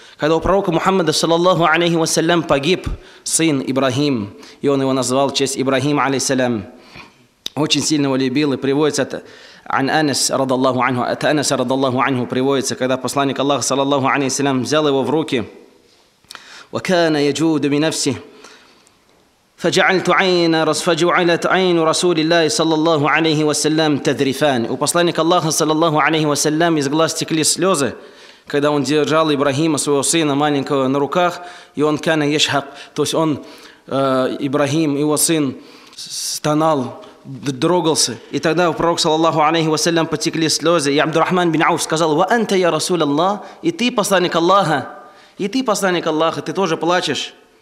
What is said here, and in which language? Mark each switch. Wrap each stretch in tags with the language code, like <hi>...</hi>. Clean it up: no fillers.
<ru>Когда у пророка Мухаммада, саллаллаху алейхи вассалям, погиб сын Ибрахим, и он его назвал в честь Ибрахима, алейхиссалям, очень сильно его любил, и приводится это ан Анас, радаллаху анху, от Анаса, радаллаху анху, приводится, когда посланник Аллаха, саллаллаху алейхи вассалям, взял его в руки,</ru> <ar>«Ва кана яджуду минафси». فجعلت عين فجعلت عين رسول الله صلى الله عليه وسلم تذرفان.</ar> <ru>У посланника Аллаха, саллаллаху алейхи ва саллям, из глаз текли слезы, когда он держал Ибрахима, своего сына маленького, на руках, и он</ru> <ar>кана яшхак,</ar> <ru>то есть он, Ибрахим, его сын, стонал, дрогался. И тогда пророк, саллаллаху алейхи вассалям, потекли слезы. И Абдурахман бин Ауф сказал:</ru> <ar>«Ва анта я Расул Аллах,</ar> <ru>и ты посланник Аллаха, и ты посланник Аллаха, ты тоже плачешь».</ru>